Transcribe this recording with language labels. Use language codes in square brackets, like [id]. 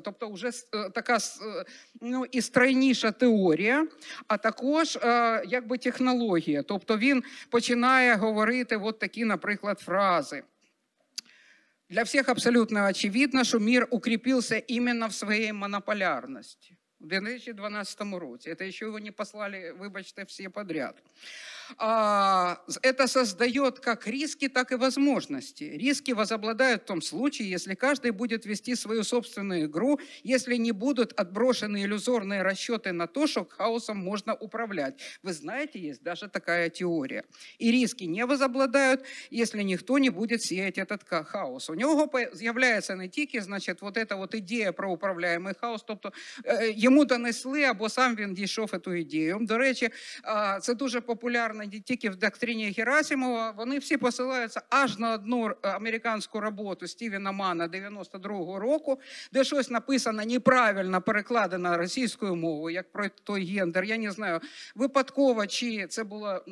[uk] Тобто вже така і стройніша теорія, а також якби технологія. Тобто він починає говорити от такі, наприклад, фрази. Для всіх абсолютно очевидно, що мир укріпився іменно в своїй монополярності. У 2012 році. Це ще його не послали, вибачте, всі подряд. [ru] это создает как риски, так и возможности. Риски возобладают в том случае, если каждый будет вести свою собственную игру, если не будут отброшены иллюзорные расчеты на то, что хаосом можно управлять. Вы знаете, есть даже такая теория. И риски не возобладают, если никто не будет сеять этот хаос. У него появляется [uk] не тільки, [ru] значит, вот эта вот идея про управляемый хаос, [uk] тобто ему донесли, або сам він дійшов [ru] эту идею. [uk] До речі, це дуже популярно не тільки в доктрині Герасимова, вони всі посилаються аж на одну американську роботу Стівена Мана 92-го року, де щось написано неправильно, перекладено російською мовою, як про той гендер, я не знаю, випадково чи це було.